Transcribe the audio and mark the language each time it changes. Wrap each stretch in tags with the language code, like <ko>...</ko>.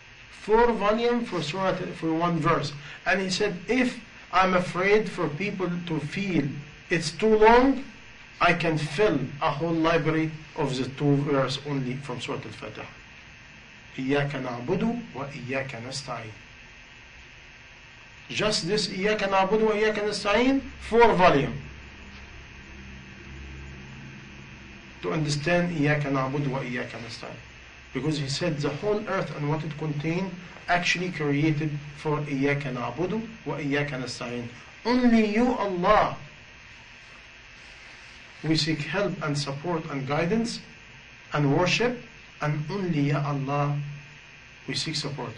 <en>Four volume for one verse. And he said, if I'm afraid for people to feel it's too long, I can fill a whole library of the two verses only from Surah Al-Fatiha.</en> <ar>إِيَّاكَ نَعْبُدُ وَإِيَّاكَ نَسْتَعِينَ.</ar> <en>Just this,</en> <ar>إِيَّاكَ نَعْبُدُ وَإِيَّاكَ نَسْتَعِينَ,</ar> <en>four volume. To understand</en> <ar>إِيَّاكَ نَعْبُدُ وَإِيَّاكَ نَسْتَعِينَ.</ar> <en>Because he said the whole earth and what it contained actually created for</en> <ar>إِيَّاكَ نَعْبُدُ وَإِيَّاكَ نَسْتَعِينَ.</ar> <en>Only you, Allah, we seek help and support and guidance and worship, and only Ya Allah we seek support.</en>